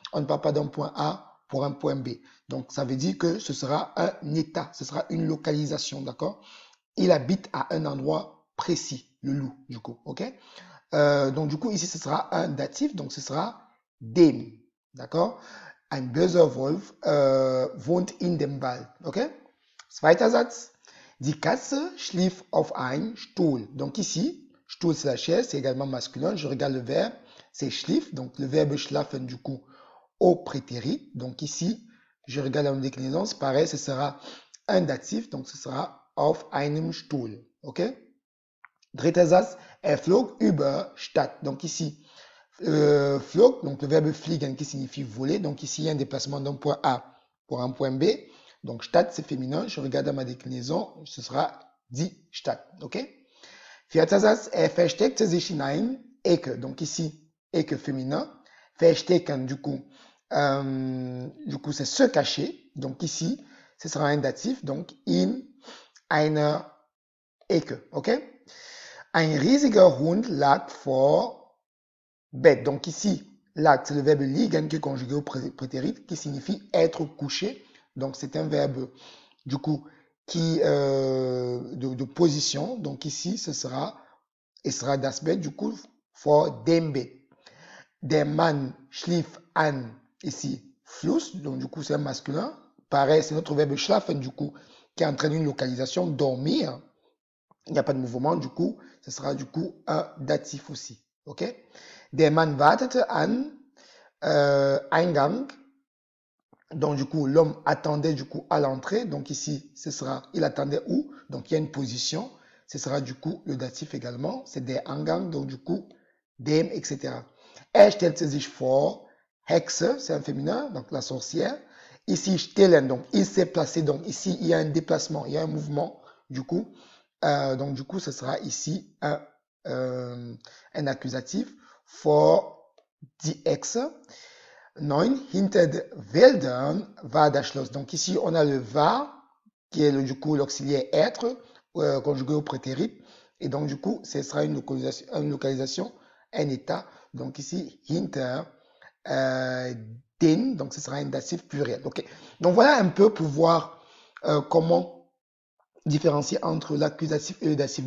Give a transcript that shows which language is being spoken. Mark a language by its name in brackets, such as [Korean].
[French] On ne parle pas d'un point A pour un point B. Donc, ça veut dire que ce sera un état, ce sera une localisation, d'accord? Il habite à un endroit précis, le loup, du coup, ok? Donc, du coup, ici, ce sera un datif, donc ce sera dem, d'accord? [German] Ein böser Wolf wohnt in dem Wald, ok? Zweiter Satz. Die Katze schlief auf ein Stuhl. [French] Donc, ici, Stuhl, c'est la chaise, c'est également masculin. Je regarde le verbe, c'est schlief, donc le verbe schlafen, du coup, au prétérit. Donc ici, je regarde la déclinaison. C'est pareil, ce sera un datif. Donc ce sera [German] auf einem Stuhl. OK? Dritter Satz. Er flog über Stadt. [French] Donc ici, flog, donc le verbe fliegen qui signifie voler. Donc ici, il y a un déplacement d'un point A pour un point B. Donc Stadt, c'est féminin. Je regarde à ma déclinaison. Ce sera [German] die Stadt. OK? Vierter Satz. Er versteckte sich hinein. [French] Ecke. Donc ici, Ecke féminin. Verstecken, du coup, c'est se cacher. Donc ici, ce sera un datif. [German] Donc, in einer Ecke. OK? Ein riesiger Hund lag vor Bett. [French] Donc ici, lag, c'est le verbe liegen qui est conjugué au prétérit, qui signifie être couché. Donc, c'est un verbe, du coup, de position. Donc ici, ce sera, et sera [German] das Bett, [French] du coup, [German] vor dem Bett. Der Mann schlief an, [French] ici, Fluss, donc du coup c'est un masculin. Pareil, c'est notre verbe schlafen, du coup, qui entraîne une localisation, dormir. Il n'y a pas de mouvement, du coup, ce sera du coup un datif aussi. OK? [German] Der Mann wartete an, Eingang. [French] Donc du coup, l'homme attendait du coup à l'entrée. Donc ici, ce sera, il attendait où? Donc il y a une position. Ce sera du coup le datif également. C'est der Eingang, donc du coup, dem, etc. [German] Er stellte sich vor, [French] Hexe, c'est un féminin, donc la sorcière. Ici, stellen, donc il s'est placé. Donc ici, il y a un déplacement, il y a un mouvement. Du coup, ce sera ici un accusatif. [German] Vor die Hexe. Neun, hinter den Wäldern war das Schloss. [French] Donc ici, on a le war, qui est du coup l'auxiliaire être, conjugué au prétérit. Et donc, du coup, ce sera une localisation, un état. Donc ici, [German] hinter den, [French] donc ce sera un datif pluriel. Okay. Donc voilà un peu pour voir comment différencier entre l'accusatif et le datif.